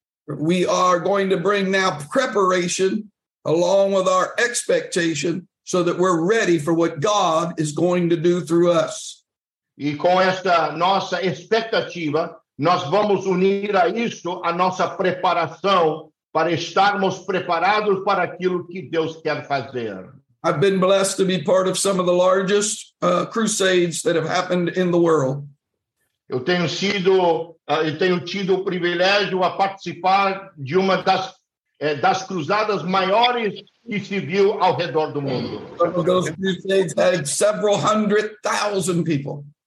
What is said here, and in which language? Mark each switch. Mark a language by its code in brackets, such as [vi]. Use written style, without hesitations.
[en] We are going to bring now preparation along with our expectation so that we're ready for what God is going to do through us. [pt] E com esta nossa expectativa, nós vamos unir a isto a nossa preparação para estarmos preparados para aquilo que Deus quer fazer. [en] I've been blessed to be part of some of the largest crusades that have happened in the world. [pt] Eu tenho tido o privilégio a participar de uma das cruzadas maiores que se viu ao redor do mundo. [en] Some of those crusades had several hundred thousand people.